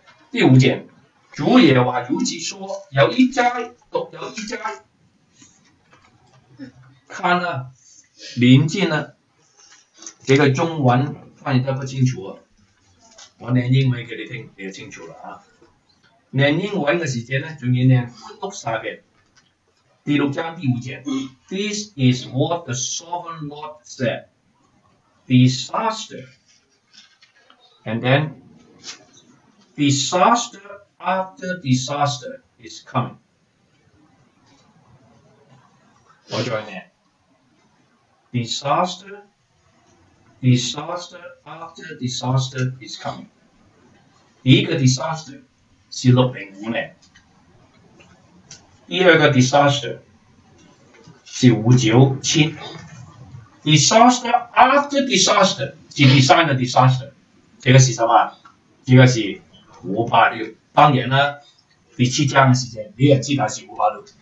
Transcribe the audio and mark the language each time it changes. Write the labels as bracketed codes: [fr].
[zh] 第五节，主耶和华如此说，有一灾独有一灾，看了临近了，这个中文翻译得不清楚，我念英文给你听你就清楚了啊。念英文的时间呢，就要念六十遍。第六章第五节， [en] This is what the sovereign Lord said, disaster, and then disaster after disaster is coming. [zh] 我再念， [en] disaster, disaster after disaster is coming. [zh] 第一个 disaster 是六零五年，第二个 disaster是597。 [en] Disaster after disaster [zh] 是第三个 disaster， 这个是什么？这个是586。当然了，第七章的时间你也记得是586。